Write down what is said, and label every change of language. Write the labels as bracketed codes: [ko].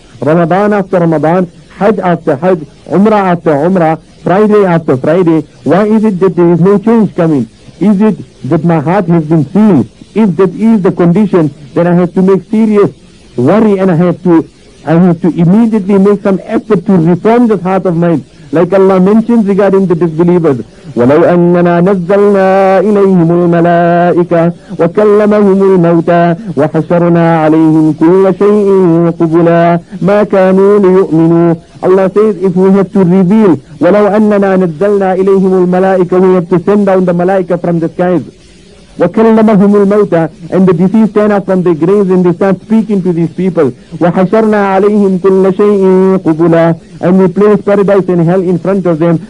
[en] Ramadan after Ramadan, Hajj after Hajj, Umrah after Umrah, Friday after Friday, why is it that there is no change coming? Is it that my heart has been sealed? If that is the condition, then I have to make serious worry and I have to immediately make some effort to reform this heart of mine. Like Allah mentions regarding the disbelievers, [ar] وَلَوْ أَنَّنَا نَزَّلْنَا إِلَيْهِمُ الْمَلَائِكَةِ وَكَلَّمَهُمُ الْمَوْتَى وَحَشَرْنَا عَلَيْهِمْ كُلَّ شَيْءٍ قُبُلًا مَا كَانُوا لِيُؤْمِنُوا. [en] Allah says, if we have to reveal, [ar] وَلَوْ أَنَّنَا نَزَّلْنَا إِلَيْهِمُ الْمَلَائِكَةِ, [en] we have to send down the malaika from the skies. [ar] وَكَلَّمَهُمُ الْمَوْتَى, [en] and the deceased stand up from the graves and they start speaking to these people. [ar] وَحَشَرْنَا عَلَيْهِمْ كُلَّ شَيْءٍ قُبُلًا, [en] and we place paradise and hell in front of them.